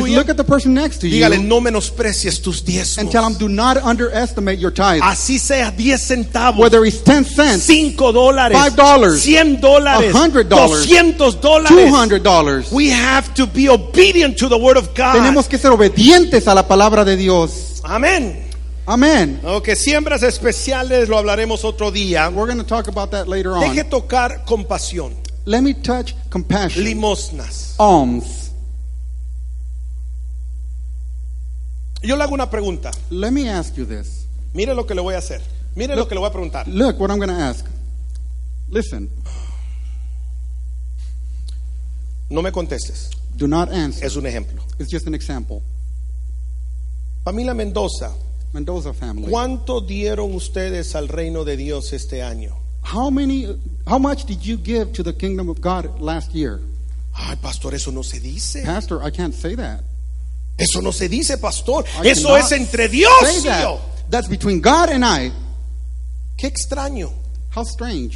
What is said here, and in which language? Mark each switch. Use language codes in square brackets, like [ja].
[en] Please look at the person next to you. [es] Dígale, no menosprecies tus diezmos. [en] And tell him, do not underestimate your tithe. [es] Así sea 10 centavos. [en] Whether it's 10 cents. [es] $5. [en] $5. [es] $100. [en] $100. [es] $200. [en] $200. We have to be obedient to the word of God. [es] Tenemos que ser obedientes a la palabra de Dios. Amén. [en] Amén. [es] Okay, siembras especiales lo hablaremos otro día. [en] We're going to talk about that later on. [es] Deje tocar compasión. [en] Let me touch compassion. [es] Limosnas. [en] Alms. [es] Yo le hago una pregunta. [en] Let me ask you this. [es] Mire lo que le voy a hacer. Mire lo que le voy a preguntar. [en] Look what I'm going to ask. Listen. [es] No me contestes. [en] Do not answer. [es] Es un ejemplo. [en] It's just an example. [es] Familia Mendoza. [en] Mendoza family. [es] ¿Cuánto dieron ustedes al reino de Dios este año? [en] How much did you give to the kingdom of God last year? [es] Ay, pastor, eso no se dice. [en] Pastor, I can't say that. [es] Eso no se dice, pastor. Eso es entre Dios y yo. [en] That's between God and I. [es] Qué extraño. [en] How strange.